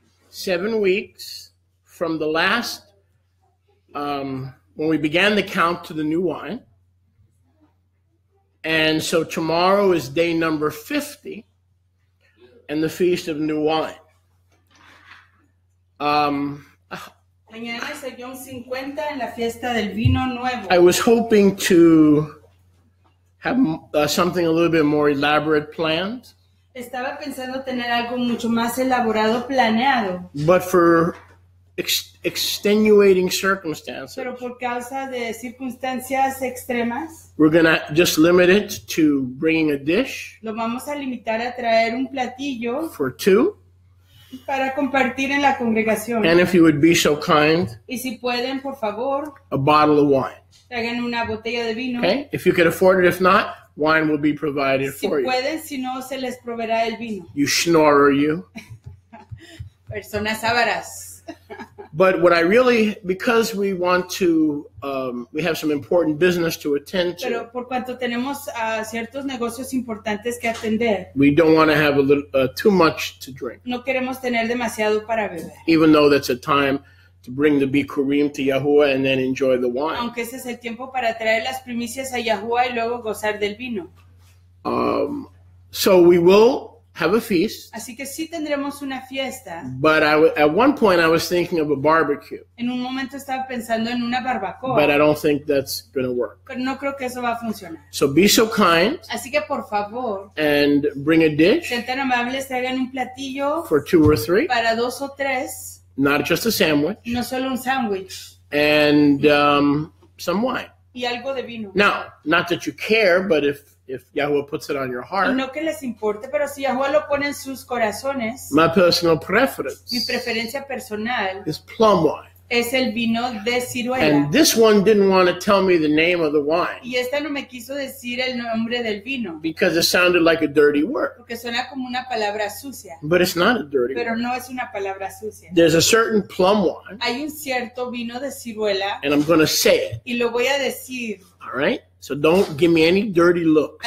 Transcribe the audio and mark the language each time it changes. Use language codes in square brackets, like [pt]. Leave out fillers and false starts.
[en] 7 weeks from the last, when we began the count to the new wine. And so tomorrow is day number 50 and the Feast of New Wine. [es] Mañana es el Yom 50 en la fiesta del vino nuevo. [en] I was hoping to have something a little bit more elaborate planned. [es] Estaba pensando tener algo mucho más elaborado planeado. [en] But for extenuating circumstances. [es] Pero por causa de circunstancias extremas. [en] We're going to just limit it to bringing a dish. [es] Lo vamos a limitar a traer un platillo. [en] For two. [es] Para compartir en la congregación. [en] And if you would be so kind. [es] Y si pueden, por favor. [en] A bottle of wine. [es] Traigan una botella de vino. [en] Okay? If you could afford it, if not, wine will be provided [es] si [en] for [es] pueden, [en] you. [es] Si pueden, si no, se les proveerá el vino. [en] You schnorrer, you. [es] Personas avaras. [en] But what I really, because we want to, we have some important business to attend to. [es] Pero por cuanto tenemos ciertos negocios importantes que atender. [en] We don't want to have a little, too much to drink. [es] No queremos tener demasiado para beber. [en] Even though that's a time to bring the Bikurim to Yahuwah and then enjoy the wine. [es] Aunque ese es el tiempo para traer las primicias a Yahuwah y luego gozar del vino. [en] So we will have a feast. [es] Así que sí tendremos una fiesta. [en] But at one point I was thinking of a barbecue. [es] En un momento estaba pensando en una barbacoa. [en] But I don't think that's going to work. [es] Pero no creo que eso va a funcionar. [en] So be so kind. [es] Así que por favor. [en] And bring a dish. [es] Sean tan amables, traigan un platillo. [en] For two or three. [es] Para dos o tres. [en] Not just a sandwich. [es] No solo un sandwich. [en] And some wine. [es] Y algo de vino. [en] Now, not that you care, but if Yahuwah puts it on your heart. [es] No que les importe, pero si Yahuwah lo pone en sus corazones. [en] My personal preference. [es] Mi preferencia personal. [en] Is plum wine. [es] Es el vino de ciruela. [en] And this one didn't want to tell me the name of the wine. [es] Y esta no me quiso decir el nombre del vino. [en] Because it sounded like a dirty word. [es] Porque suena como una palabra sucia. [en] But it's not a dirty [es] pero [en] word. [es] Pero no es una palabra sucia. [en] There's a certain plum wine. [es] Hay un cierto vino de ciruela. [en] And I'm going to say it. [es] Y lo voy a decir. [en] All right? So don't give me any dirty looks.